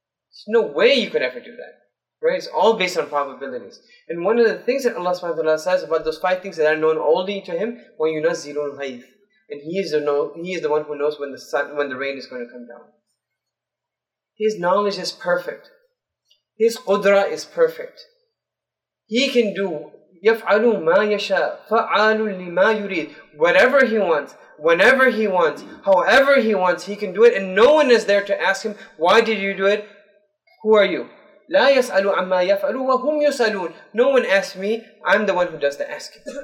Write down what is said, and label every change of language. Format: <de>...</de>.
<en>There's no way you could ever do that. Right? It's all based on probabilities. And one of the things that Allah subhanahu wa ta'ala says about those five things that are known only to Him,</en> <ar>وَيُنَزِّلُ الْغَيْثِ.</ar> <en>And he is the one who knows when the sun, when the rain is going to come down. His knowledge is perfect. His qudra is perfect. He can do</en> <ar>يَفْعَلُ مَا يَشَاءُ فَعَالٌ لِمَا يُرِيدُ.</ar> <en>Whatever he wants, whenever he wants, however he wants, he can do it. And no one is there to ask him, why did you do it? Who are you?</en> <ar>لَا يَسْأَلُ عَمَّا يَفْعَلُ وَهُمْ يُسَأَلُونَ.</ar> <en>No one asks me, I'm the one who does the asking.</en>